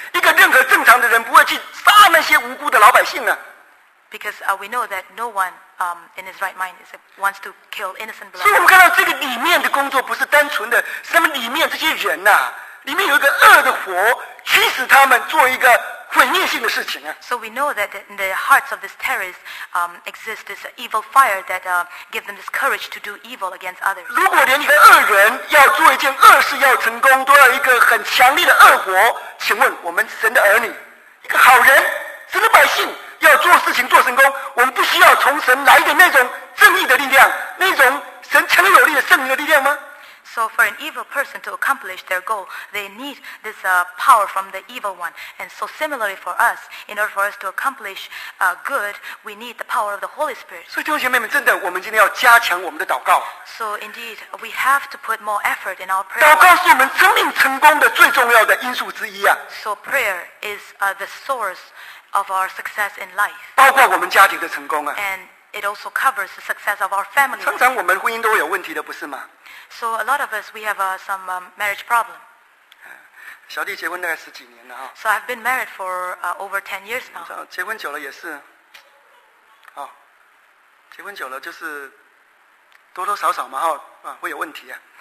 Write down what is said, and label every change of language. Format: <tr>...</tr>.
<zh>一个任何正常的人不会去杀那些无辜的老百姓呢、啊。</zh> <en>Because we know that no one in his right mind wants to kill innocent blood.</en> <zh>所以我们看到这个里面的工作不是单纯的，是他们里面这些人呐、啊，里面有一个恶的火驱使他们做一个。毁灭性的事情啊。</zh> <en>So we know that in the hearts of these terrorists exists this evil fire that gives them this courage to do evil against others.</en> <zh>如果连一个恶人要做一件恶事要成功，都要一个很强烈的恶火，请问我们神的儿女，一个好人，神的百姓，要做事情做成功，我们不需要从神来的那种正义的力量，那种神强有力的圣灵的力量吗？</zh> <en>So for an evil person to accomplish their goal, they need this power from the evil one. And so similarly for us, in order for us to accomplish good, we need the power of the Holy Spirit.</en> <zh>所以弟兄姐妹们，真的，我们今天要加强我们的祷告。</zh> <en>So indeed, we have to put more effort in our prayer.</en> <zh>祷告是我们生命成功的最重要的因素之一啊。</zh> <en>So prayer is the source of our success in life.</en> <zh>包括我们家庭的成功啊。</zh> <en>And it also covers the success of our family.</en> <zh>常常我们婚姻都有问题的，不是吗？</zh> <en>So a lot of us, we have some marriage problem.</en> <zh>小弟结婚大概十几年了、哦、</zh> <en>So I've been married for over 10 years now.</en> <zh>结婚久了也是、哦、结婚久了就是多多少少嘛、哦、会有问题、啊、</zh>